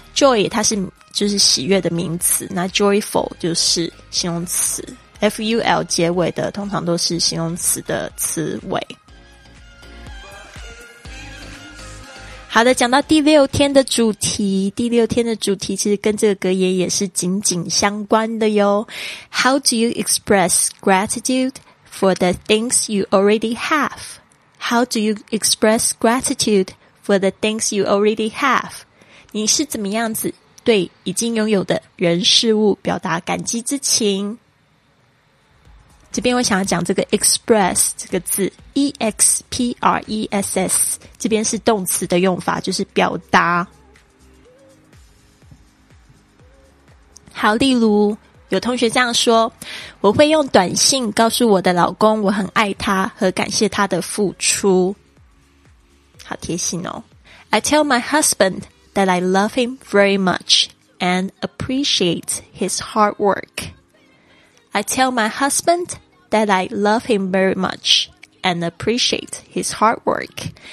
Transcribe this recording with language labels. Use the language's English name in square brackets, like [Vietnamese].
[Chinese] joy 它是就是喜悦的名词，那 joyful 就是形容词， ful 结尾的通常都是形容词的词尾。好的，讲到第六天的主题，第六天的主题其实跟这个格言也是紧紧相关的哟。 [English] How do you express gratitude for the things you already haveHow do you express gratitude for the things you already have? [Chinese] 你是怎么样子对已经拥有的人事物表达感激之情？这边我想要讲这个 express 这个字， E-X-P-R-E-S-S， 这边是动词的用法，就是表达。好，例如有同学这样说，我会用短信告诉我的老公我很爱他和感谢他的付出。好贴心哦。 [English] I tell my husband that I love him very much and appreciate his hard work. I tell my husband that I love him very much and appreciate his hard work.